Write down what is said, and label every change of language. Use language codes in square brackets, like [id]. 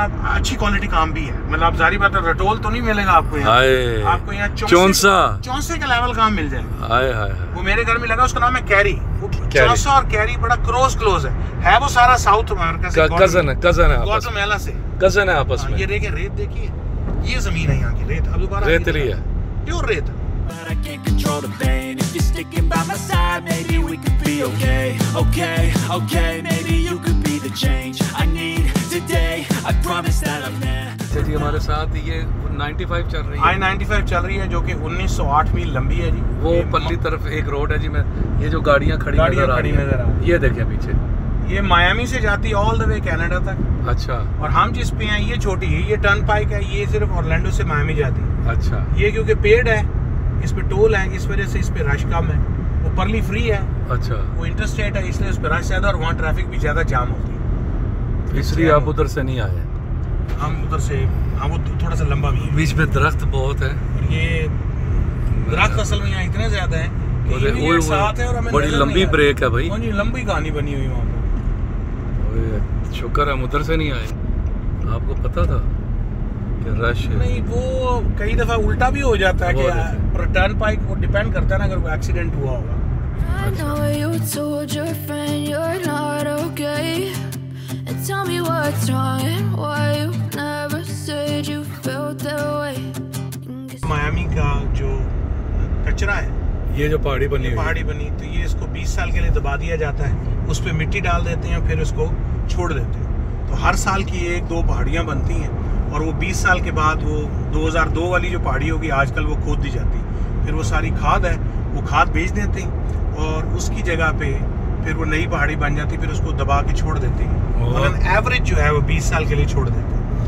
[hi] अच्छी क्वालिटी का आम भी है, मतलब जारी बात है, रटोल तो नहीं मिलेगा आपको यहाँ, आपको यहाँ चौंसा, चौंसे का लेवल का आम मिल जाएगा। हाय हाय, वो मेरे घर में लगा, उसका नाम है कैरी, चौंसा और कैरी बड़ा क्रोस क्लोज है वो सारा साउथ अमेरिका से, कजन है, कजन है, ग्वाटेमाला से कजन है आपस में। ये देखिए रेत, देखिए ये जमीन है यहाँ की रेत, अब दोबारा रेत ली है, प्योर रेत। [en] But I can't control the pain. If you're sticking by my side, maybe we could be okay. Okay, okay, maybe you could be the change I need today. I promise that I'm there. [hi] जी हमारे साथ ये 95 चल रही है, I-95 चल रही है जो कि 1908 मील लंबी है जी। वो पल्ली तरफ एक रोड है जी, मैं ये जो गाड़ियां खड़ी नजर आ रही है, ये देखिए पीछे, ये मायामी से जाती है [en] all the way [hi] कनाडा तक। अच्छा, और हम जिस पे हैं ये छोटी है, ये टर्न पाइक है, ये सिर्फ ऑरलैंडो से मायामी जाती है। अच्छा, ये क्योंकि पेड़ है, इस पे टोल है, इस वजह से इस पे रश कम है, वो पर्ली फ्री है। अच्छा, वो इंटरस्टेट है इसलिए उस पे रश ज्यादा और वहाँ ट्रैफिक भी ज्यादा जाम होती है, इसलिए आप उधर से नहीं आए। हम उधर से, हाँ वो थोड़ा सा लंबा भी है, बीच में दरख्त बहुत है, ये दरख्त असल में यहाँ इतने ज्यादा है, बड़ी लंबी ब्रेक है भाई, लंबी कहानी बनी हुई वहाँ पर। शुक्र है हम उधर से नहीं आए, आपको पता था रश है? नहीं, वो कई दफा उल्टा भी हो जाता है कि टर्न पाइक, वो डिपेंड करता है ना, अगर वो एक्सीडेंट हुआ होगा। [en] I know you told your friend you're not okay and tell me what's wrong and why you never said you felt that way. [hi] Miami का जो कचरा है, ये जो पहाड़ी बनी, पहाड़ी बनी तो ये इसको 20 साल के लिए दबा दिया जाता है, उस पे मिट्टी डाल देते हैं और फिर इसको छोड़ देते हैं, तो हर साल की एक दो पहाड़ियाँ बनती हैं और वो 20 साल के बाद वो 2002 वाली जो पहाड़ी होगी आजकल वो खोद दी जाती है, फिर वो सारी खाद है वो खाद बेच देते हैं और उसकी जगह पे फिर वो नई पहाड़ी बन जाती है, फिर उसको दबा के छोड़ देते हैं, मतलब एवरेज जो है वो 20 साल के लिए छोड़ देते हैं।